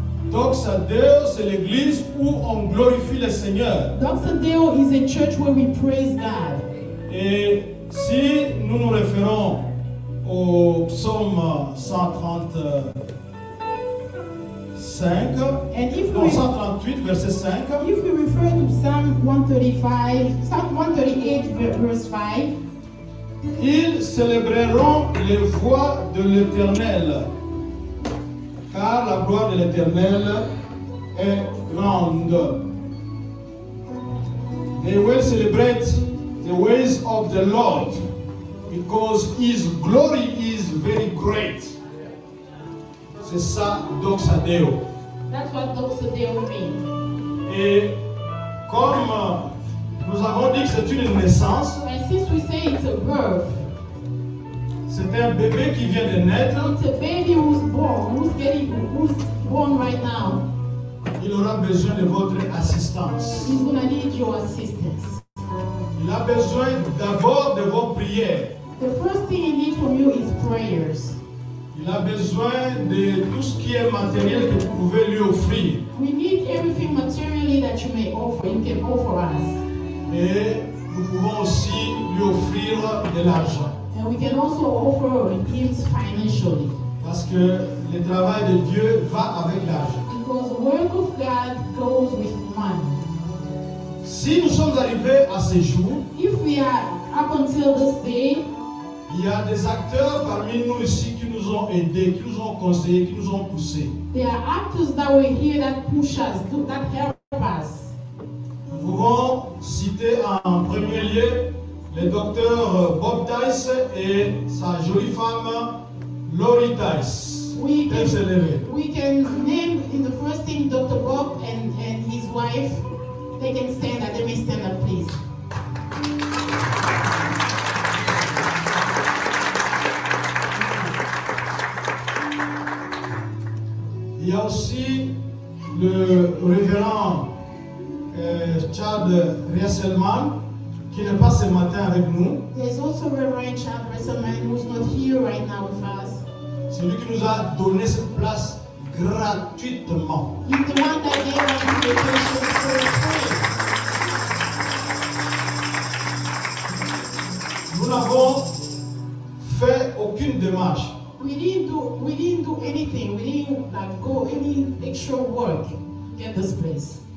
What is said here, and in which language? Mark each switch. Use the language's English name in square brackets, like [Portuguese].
[French] Doxa Deo, c'est l'église où on glorifie le Seigneur. [English] Doxa Deo is a church where we praise God. [French] Et si nous nous référons au psaume 135, [English] and if [French] non, 138, verset 5. [English] If we refer to Psalm 138, verse 5. [French] Ils célébreront les voies de l'Éternelle. Car la gloire de l'Éternel est grande. [English] They will celebrate the ways of the Lord because His glory is very great. [French] C'est ça, Doxa Deo. [English] That's what Doxa Deo means. [French] Et comme nous avons dit que c'est une naissance, [English] and since we say it's a birth, [French] c'est un bébé qui vient de naître. [English] It's a baby who's born, who's born right now. [French] Il aura besoin de votre assistance. [English] He's gonna need your assistance. [French] Il a besoin d'abord de vos prières. [English] The first thing he needs from you is prayers. [French] Il a besoin de tout ce qui est matériel que vous pouvez lui offrir. [English] We need everything materially that you may offer. You can offer us. [French] Et nous pouvons aussi lui offrir de l'argent. [English] And we can also offer gifts financially. [French] Parce que le travail de Dieu va avec l'argent. [English] Because the work of God goes with money. [French] Si nous sommes arrivés à ces jours, [English] if we are up until this day, [French] il y a des acteurs parmi nous ici qui nous ont aidés, qui nous ont conseillés, qui nous ont poussés. [English] There are actors that were here that push us, that help us. [French] Nous pouvons citer en premier lieu les docteurs Bob Dice et sa jolie femme Lori Dice. [English] We can name in the first thing Dr. Bob and his wife. They can stand up. They may stand up, please. [French] Il y a aussi le révérend Chad Rieselman qui n'est pas ce matin avec nous. [English] There's also Reverend Chad Rieselman who's not here right now with us. [French] C'est lui qui nous a donné cette place gratuitement. Nous n'avons fait aucune démarche. [English] We didn't do anything. We didn't like go any extra work to get this place.